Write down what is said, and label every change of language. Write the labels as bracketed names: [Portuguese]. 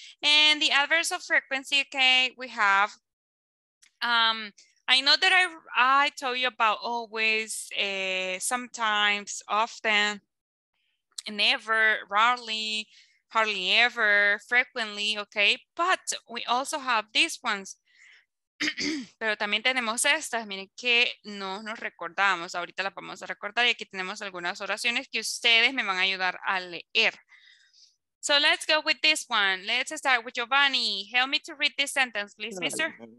[English] And the adverbs of frequency, okay, we have, I know that I told you about always, sometimes, often, never, rarely, hardly ever, frequently, okay? But we also have these ones. [Spanish] Pero también tenemos estas, miren, que no nos recordamos. Ahorita las vamos a recordar y aquí tenemos algunas oraciones que ustedes me van a ayudar a leer. [English] So let's go with this one. Let's start with Giovanni. Help me to read this sentence, please, mister.